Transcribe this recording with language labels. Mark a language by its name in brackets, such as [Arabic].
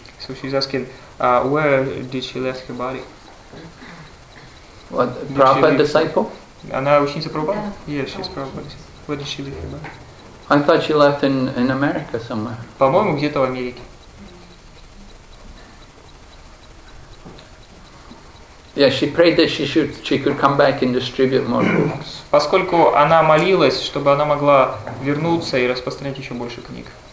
[English] So she's asking, where did she left her body? What, Prabhupada disciple? [Russian] Она ученица Прабхупады? [English] Yes, she's Prabhupada disciple. Where did she leave her body? I thought she left in America somewhere. [Russian] По-моему, где-то в Америке. [English] Yeah, she prayed that she could come back and distribute more books. [Russian] Поскольку она молилась, чтобы она могла вернуться и распространять еще больше книг.